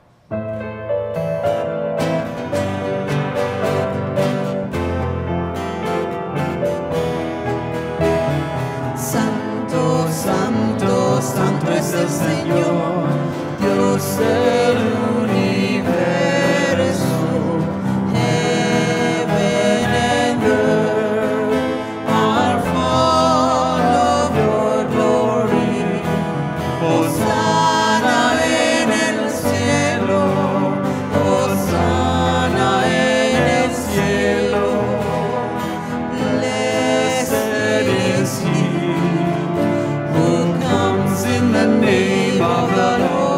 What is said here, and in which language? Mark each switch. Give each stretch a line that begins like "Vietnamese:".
Spanish: Santo, Santo, Santo es el Señor. El universo,
English: heaven and earth, are full of your glory.
Spanish: Hosanna en el cielo, Hosanna en el cielo.
English: Blessed is he who comes in the name of the Lord.